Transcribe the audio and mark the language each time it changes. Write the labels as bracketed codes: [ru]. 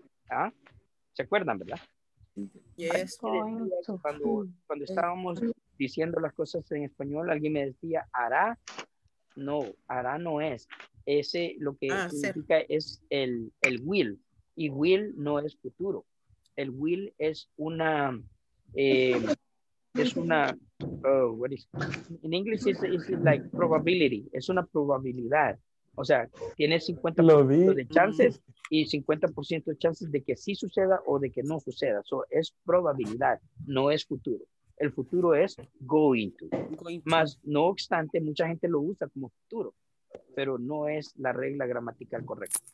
[es] ¿Ah? ¿Se acuerdan, verdad? [en] Yes. [es] Cuando estábamos diciendo las cosas en español, alguien me decía, hará, no, hará no es. Ese lo que significa ser. Es el will, y will no es futuro. El will es una, oh, what is it? [en] In English, it's like probability, [es] es una probabilidad. O sea, tiene 50% de chances y 50% de chances de que sí suceda o de que no suceda. [en] So, [es] es probabilidad, no es futuro. El futuro es going to. Más no obstante, mucha gente lo usa como futuro, pero no es la regla gramatical correcta.